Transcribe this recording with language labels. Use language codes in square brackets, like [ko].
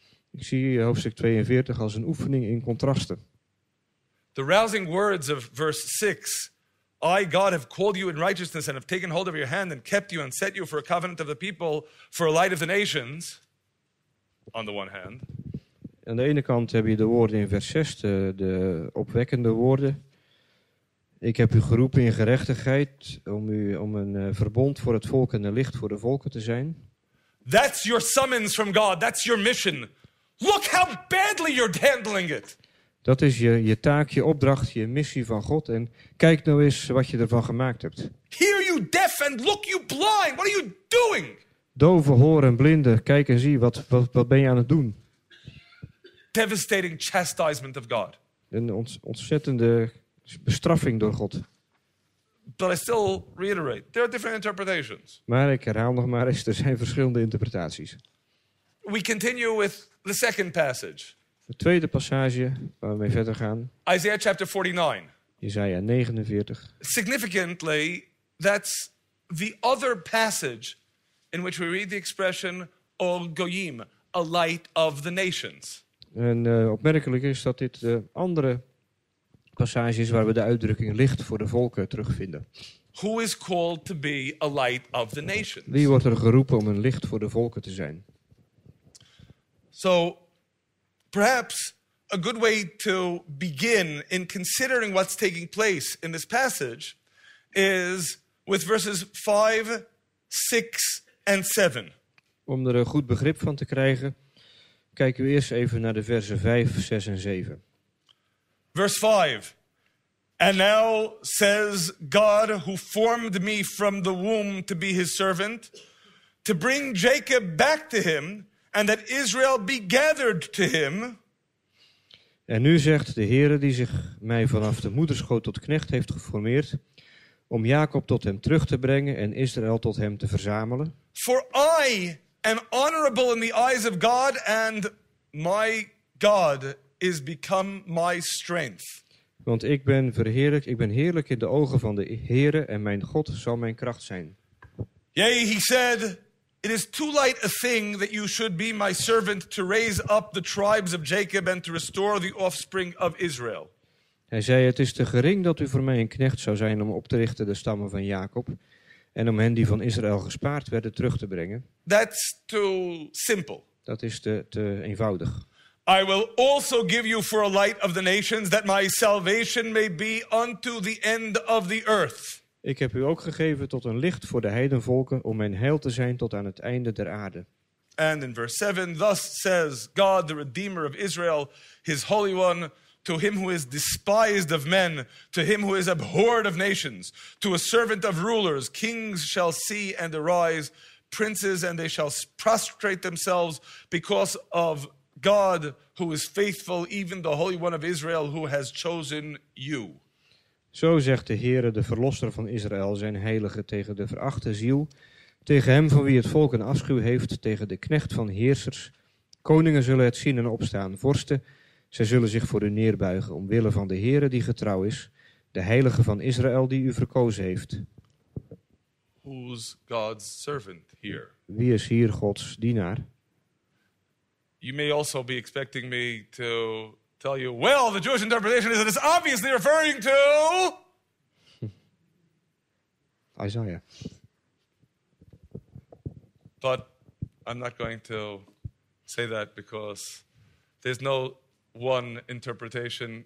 [nl] Ik zie hoofdstuk 42 als een oefening in contrasten. [en] The rousing words of verse 6. I, God, have called you in righteousness and have taken hold of your hand and kept you and set you for a covenant of the people, for a light of the nations, on the one hand. [nl] Aan de ene kant heb je de woorden in vers 6, de opwekkende woorden. Ik heb u geroepen in gerechtigheid om u om een verbond voor het volk en een licht voor de volken te zijn. [en] That's your summons from God. That's your mission. Look how badly you're handling it. [nl] Dat is je taak, je opdracht, je missie van God. En kijk nou eens wat je ervan gemaakt hebt. [en] Hear you deaf and look you blind. What are you doing? [nl] Doven horen, blinden, kijk en zie. Wat ben je aan het doen? [en] Devastating chastisement of God. [nl] Een ontzettende bestraffing door God. [en] But I still reiterate, there are different interpretations. [nl] Maar ik herhaal nog maar eens, er zijn verschillende interpretaties. [en] We continue with the second passage. [nl] De tweede passage waar we mee verder gaan. [en] Isaiah chapter 49. Isaiah 49. Significantly, that's the other passage in which we read the expression Or Goyim, a light of the nations. [nl] En opmerkelijk is dat dit de andere passage is waar we de uitdrukking licht voor de volken terugvinden. [en] Who is called to be a light of the nations? [nl] Wie wordt er geroepen om een licht voor de volken te zijn? [en] So, perhaps a good way to begin in considering what's taking place in this passage is with verses 5, 6 and 7. [nl] Om er een goed begrip van te krijgen, kijk u eerst even naar de versen 5, 6 en 7. [en] Verse 5. And now says God who formed me from the womb to be his servant, to bring Jacob back to him, and that Israel be gathered to him. [nl] En nu zegt de Heere die zich mij vanaf de moederschoot tot knecht heeft geformeerd, om Jacob tot hem terug te brengen en Israël tot hem te verzamelen. [en] For I am honorable in the eyes of God, and my God is become my strength. [nl] Want ik ben verheerlijk, ik ben heerlijk in de ogen van de Heere, en mijn God zal mijn kracht zijn. [en] Yea, he said, it is too light a thing that you should be my servant to raise up the tribes of Jacob and to restore the offspring of Israel. [nl] Hij zei, het is te gering dat u voor mij een knecht zou zijn om op te richten de stammen van Jacob en om hen die van Israël gespaard werden terug te brengen. [en] That's too simple. [nl] Dat is te eenvoudig. [en] I will also give you for a light of the nations that my salvation may be unto the end of the earth. [nl] Ik heb u ook gegeven tot een licht voor de heidenvolken om mijn heil te zijn tot aan het einde der aarde. [en] And in verse 7, thus says God, the Redeemer of Israel, his Holy One, to him who is despised of men, to him who is abhorred of nations, to a servant of rulers, kings shall see and arise, princes, and they shall prostrate themselves because of God, who is faithful, even the Holy One of Israel, who has chosen you. [nl] Zo zegt de Heere, de Verlosser van Israël, zijn heilige tegen de verachte ziel, tegen hem van wie het volk een afschuw heeft, tegen de knecht van heersers. Koningen zullen het zien en opstaan, vorsten, zij zullen zich voor u neerbuigen, omwille van de Heere die getrouw is, de heilige van Israël die u verkozen heeft. [en] Who's God's servant here? [nl] Wie is hier Gods dienaar? [en] You may also be expecting me to tell you, well, the Jewish interpretation is that it's obviously referring to Isaiah. But I'm not going to say that because there's no one interpretation.